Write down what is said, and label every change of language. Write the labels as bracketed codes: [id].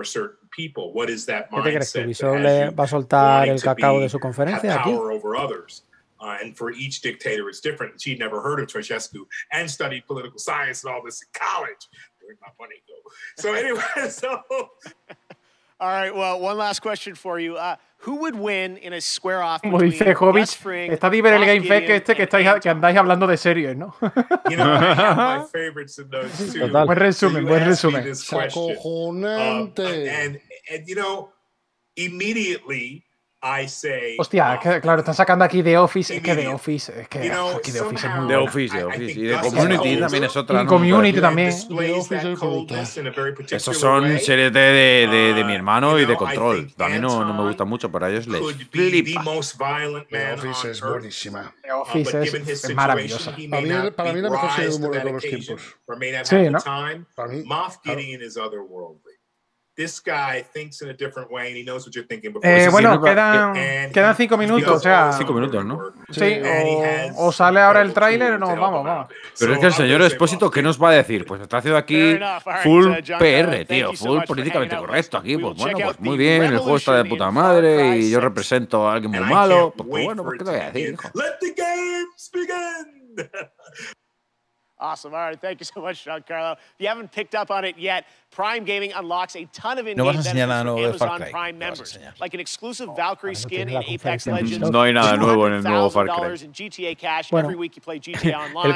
[es] ¿Ubisoft le va a soltar el cacao de su conferencia aquí? [en] And for each dictator, it's different. She'd never heard of Ceausescu and studied political science and all this in college. Where'd my money go? So anyway, All right, well, one last question for you. Who would win in a square off? [es] Como dice Hobbit, está divertido el Game Fest este que andáis hablando de series, ¿no? [en] You know, I have my favorites in those too. [es] Buen resumen. Acojonante. [en] And you know, immediately I say, [es] hostia, es que, claro, están sacando aquí The Office. Es que The Office, es que aquí The Office es muy bueno. The Office. Y The Community también es otra. Community también. Esos son series de mi hermano y de Control. A mí no me gusta mucho, pero a ellos les flipa. The Office es buenísima. The Office es maravillosa. Para mí la mejor serie de humor de todos los tiempos. Sí, ¿no? Moff Gideon es otherworldly. [en] This guy thinks in a different way and he knows what you're thinking before. [es] Quedan 5 minutos, o sea, 5 minutos, ¿no? Sí, o sale ahora el tráiler o no, vamos. Pero es que el señor Espósito, ¿qué nos va a decir? Pues está haciendo aquí full PR, tío, full políticamente correcto aquí, pues bueno, pues muy bien, el juego está de puta madre y yo represento a alguien muy malo, pues bueno, pues qué te voy a decir, hijo. [en] Let the games begin. Awesome. All right. Thank you so much, Giancarlo. If you haven't picked up on it yet, Prime Gaming unlocks a ton of in-game benefits for Amazon Prime members, like an exclusive Valkyrie skin in Apex Legends. [es] No hay nada nuevo en el nuevo Far Cry. [en] GTA cash every week you play GTA online.